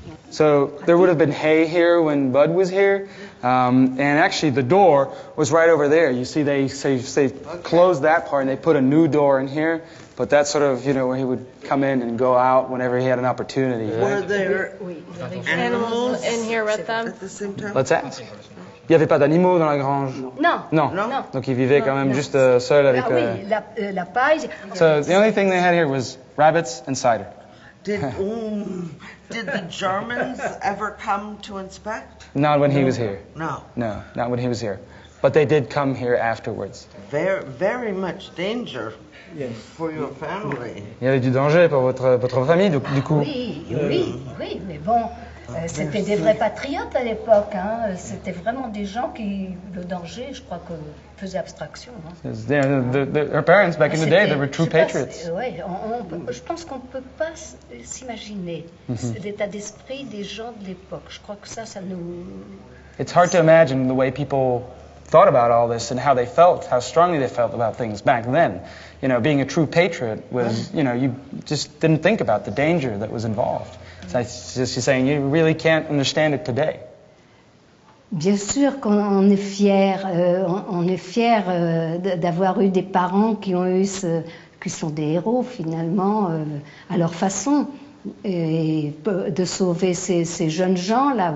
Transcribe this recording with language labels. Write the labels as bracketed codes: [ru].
[en] So there would have been hay here when Bud was here. And actually the door was right over there. You see they closed that part and they put a new door in here. But that's sort of, you know, where he would come in and go out whenever he had an opportunity. Were there animals in here with them? At the same time? Let's ask. [fr] Il n'y avait pas d'animaux dans la grange? Non. Donc ils vivaient quand même juste seuls avec... Ah oui, la paille. [en] So the only thing they had here was rabbits and cider. Did the Germans ever come to inspect? Not when he was here. No. No, not when he was here. But they did come here afterwards. Very much danger for your family. [fr] Il y avait du danger pour votre famille, du coup. Oui, mais bon, c'était des vrais patriotes à l'époque. Hein. C'était vraiment des gens qui, le danger, je crois que faisait abstraction. Hein. [en] Her parents, back in the day, they were true patriots. [fr] Je pense qu'on ne peut pas s'imaginer l'état d'esprit des gens de l'époque. Je crois que ça, ça nous... [en] It's hard to imagine the way people... thought about all this and how they felt, how strongly they felt about things back then. You know, being a true patriot was, you know, you just didn't think about the danger that was involved. So just, you're saying you really can't understand it today. [fr] Bien sûr qu'on est fier, d'avoir eu des parents qui ont eu ce, qui sont des héros finalement à leur façon, et de sauver ces jeunes gens là.